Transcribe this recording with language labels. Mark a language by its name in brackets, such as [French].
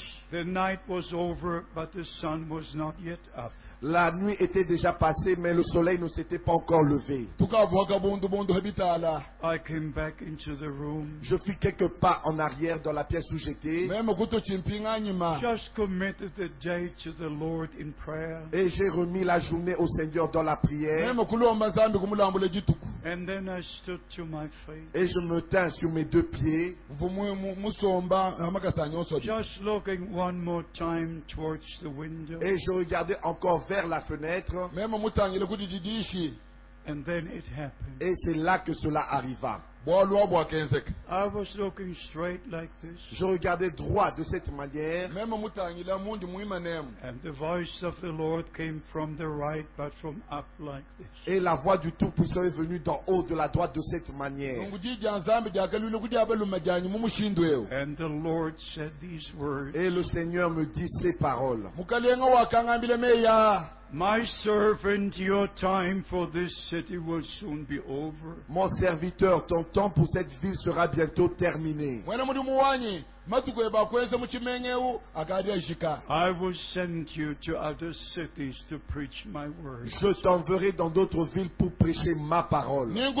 [English] the night was over, but the sun was not yet up. [French] La nuit était déjà passée, mais le soleil ne s'était pas encore levé. [English] I came back into the room. [French] Je fis quelques pas en arrière dans la pièce où j'étais. [English] Just committed the day to the Lord in prayer. [French] Et j'ai remis la journée au Seigneur dans la prière. [English] And then I stood to my feet. [French] Et je me tins sur mes deux pieds. [English] Just looking one more time towards the window. [French] Et je regardais encore vers la fenêtre. [English] And then it happened. [French] Et c'est là que cela arriva. [English] I was looking straight like this. [French] Je regardais droit de cette manière. [English] And the voice of the Lord came from the right, but from up like this. [French] Et la voix du Tout-Puissant est venue d'en haut, de la droite, de cette manière. [English] And the Lord said these words. [French] Et le Seigneur me dit ces paroles. [English] My servant, your time for this city will soon be over. [French] Mon serviteur, ton temps pour cette ville sera bientôt terminé. [English] I will send you to other cities to preach my word. [French] Je t'enverrai dans d'autres villes pour prêcher ma parole.